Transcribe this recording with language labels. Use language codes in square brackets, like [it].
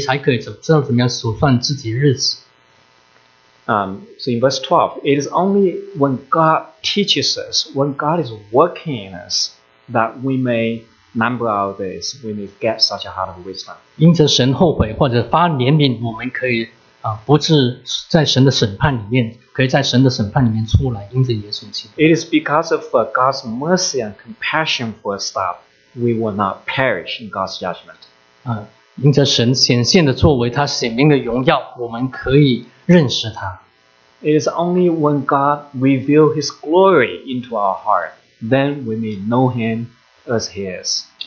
[zh] 我们可以因着神的指教，十二节，神指教我们，我们可以才可以怎么知道怎么样数算自己日子。 [en] So in verse 12, it is only when God teaches us, when God is working in us, that we may number our days, we may get such a heart of wisdom. [zh] 因着神后悔或者发怜悯，我们可以不至在神的审判里面，可以在神的审判里面出来。因着耶稣基督。 [en] It is because of God's mercy and compassion for us that we will not perish in God's judgment. [zh] 因着神显现的作为，他显明的荣耀，我们可以认识他。 [en] It is only when God reveal His glory into our heart, then we may know Him as He is.